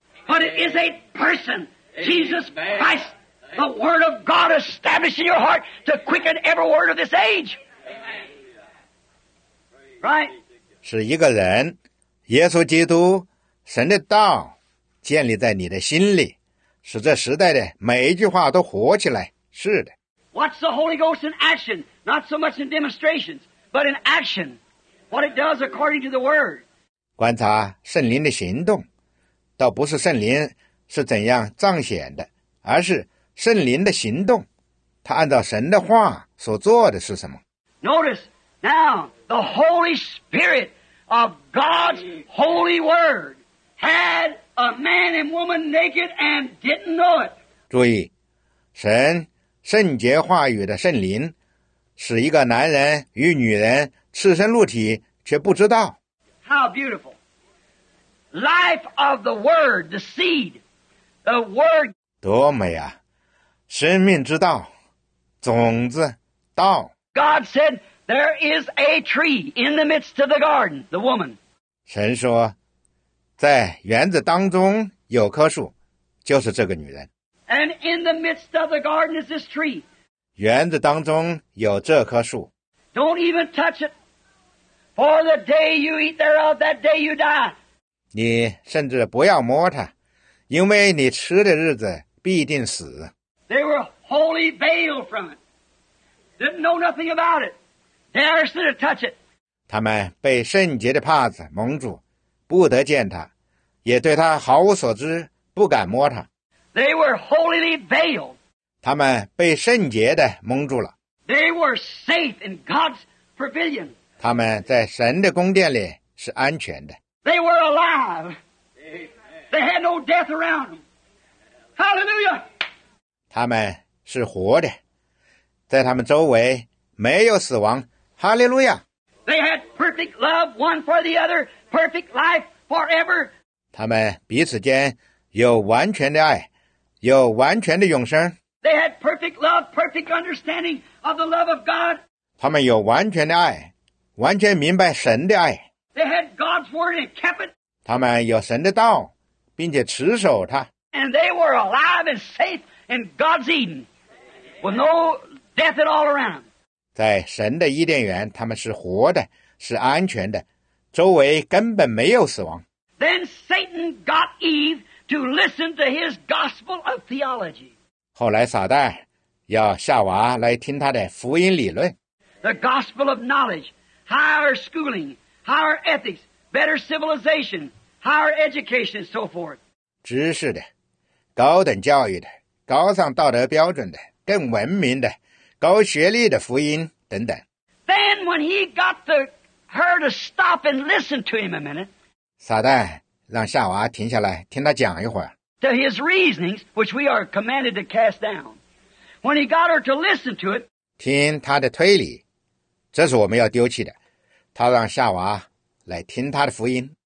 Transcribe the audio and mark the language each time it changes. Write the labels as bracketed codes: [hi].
[en] But it is a person, Jesus Christ, the Word of God established in your heart to quicken every word of this age. Amen. Right? [zh] 是一个人，耶稣基督，神的道建立在你的心里，使这时代的每一句话都活起来。是的。 [en] Watch the Holy Ghost in action, not so much in demonstrations, but in action, what it does according to the Word. [zh] 观察圣灵的行动，倒不是圣灵是怎样彰显的，而是圣灵的行动，他按照神的话所做的是什么。 [en] Notice, now, the Holy Spirit of God's Holy Word had a man and woman naked and didn't know it. [zh] 注意，神圣洁话语的圣灵使一个男人与女人赤身露体却不知道。 [en] How beautiful. Life of the Word, the seed, the Word. [zh] 多美啊，生命之道，种子，道。 [en] God said, there is a tree in the midst of the garden, the woman. [zh] 神说，在园子当中有棵树，就是这个女人。 [en] And in the midst of the garden is this tree. [zh] 园子当中有这棵树。 [en] Don't even touch it. For the day you eat thereof, that day you die. [zh] 你甚至不要摸它，因为你吃的日子必定死。 [en] They were wholly veiled from it. Didn't know nothing about it. Dares to touch it. [zh] 他们被圣洁的帕子蒙住，不得见它，也对它毫无所知，不敢摸它。 [en] They were wholly veiled. [zh] 他们被圣洁的蒙住了。 [en] They were safe in God's pavilion. [zh] 他们在神的宫殿里是安全的。 [en] They were alive. Amen. They had no death around them. Hallelujah. [zh] 他们是活的，在他们周围没有死亡。 [en] Hallelujah. They had perfect love one for the other, perfect life forever. [zh] 他们彼此间有完全的爱。有完全的永生。 [en] They had perfect love, perfect understanding of the love of God. [zh] 他们有完全的爱，完全明白神的爱。 [en] They had God's word and kept it. [zh] 他们有神的道，并且持守它。 [en] And they were alive and safe in God's Eden, with no death at all around. [zh] 在神的伊甸园，他们是活的，是安全的，周围根本没有死亡。 [en] Then Satan got Eve. To listen to his gospel of theology. [zh] 后来撒旦要夏娃来听他的福音理论。 [en] The gospel of knowledge, higher schooling, higher ethics, better civilization, higher education, and so forth. [zh] 知识的，高等教育的，高尚道德标准的，更文明的，高学历的福音等等。 [en] Then when he got the her to stop and listen to him a minute. [zh] 撒旦让夏娃停下来听他讲一会儿。 [en] To his reasonings, which we are commanded to cast down. When he got her to listen to it. [zh] 听他的推理，这是我们要丢弃的。他让夏娃来听他的福音。